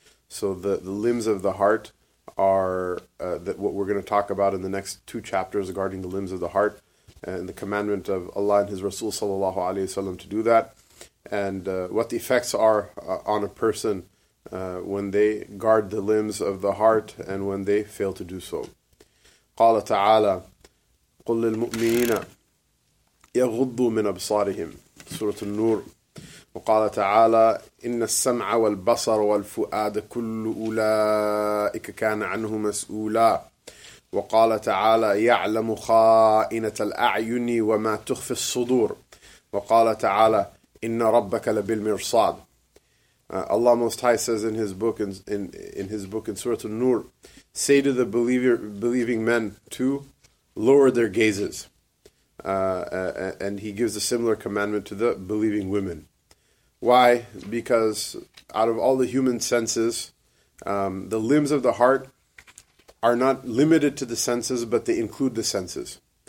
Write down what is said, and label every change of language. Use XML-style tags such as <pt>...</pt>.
<en>So the limbs of the heart are that what we're going to talk about in the next two chapters regarding the limbs of the heart. And the commandment of Allah and His Rasul sallallahu alaihi wasallam to do that, and what the effects are on a person when they guard the limbs of the heart and when they fail to do so.</en> <ar>قال تعالى قل للمؤمنين يغضوا من أبصارهم سورة النور. وقال تعالى إن السمع والبصر والفؤاد كل أولئك كان عنه مسؤولا. وقال تعالى يعلم خائنة الأعين وما تخفي الصدور. وقال تعالى إن ربك لبالمرصاد.</ar> <en>Allah Most High says in His book, in His book in Surah An-Nur, say to the believing men to lower their gazes, and He gives a similar commandment to the believing women. Why? Because out of all the human senses, the limbs of the heart are not limited to the senses, but they include the senses.</en>